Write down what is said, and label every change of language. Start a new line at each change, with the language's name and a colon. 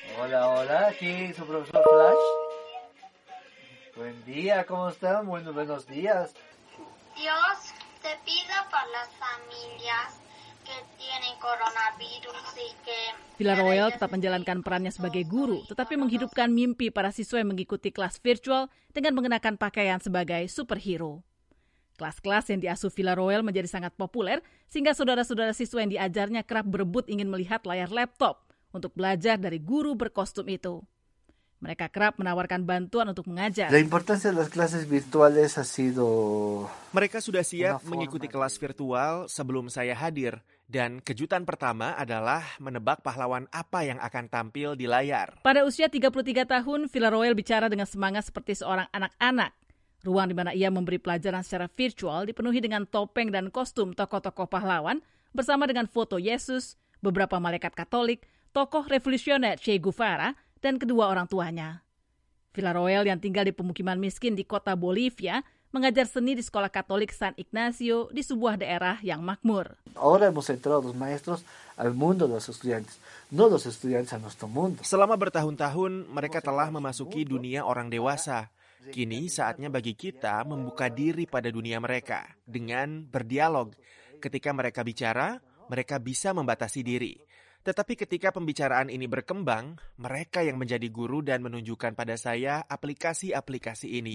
Spanish: Hola, hola, aquí su profesor Flash. Buen día, ¿cómo están? Buenos días. Dios te pida para las familias que tienen coronavirus y que...
Indonesian: Villarroel tetap menjalankan perannya sebagai guru, tetapi menghidupkan mimpi para siswa yang mengikuti kelas virtual dengan mengenakan pakaian sebagai superhero. Kelas-kelas yang diasuh Villarroel menjadi sangat populer, sehingga saudara-saudara siswa yang diajarnya kerap berebut ingin melihat layar laptop untuk belajar dari guru berkostum itu. Mereka kerap menawarkan bantuan untuk mengajar.
Spanish: La importancia de las clases virtuales ha sido...
Indonesian: Mereka sudah siap mengikuti kelas virtual sebelum saya hadir, dan kejutan pertama adalah menebak pahlawan apa yang akan tampil di layar. Pada usia 33 tahun, Villarroel bicara dengan semangat seperti seorang anak-anak. Ruang di mana ia memberi pelajaran secara virtual dipenuhi dengan topeng dan kostum tokoh-tokoh pahlawan bersama dengan foto Yesus, beberapa malaikat Katolik, tokoh revolusioner Che Guevara, dan kedua orang tuanya. Villarroel yang tinggal di pemukiman miskin di kota Bolivia mengajar seni di sekolah Katolik San Ignacio di sebuah daerah yang makmur.
Spanish: Ahora hemos entrado los maestros al mundo de los estudiantes, no los estudiantes a nuestro mundo.
Indonesian: Selama bertahun-tahun, mereka telah memasuki dunia orang dewasa. Kini saatnya bagi kita membuka diri pada dunia mereka dengan berdialog. Ketika mereka bicara, mereka bisa membatasi diri. Tetapi ketika pembicaraan ini berkembang, mereka yang menjadi guru dan menunjukkan pada saya aplikasi-aplikasi ini.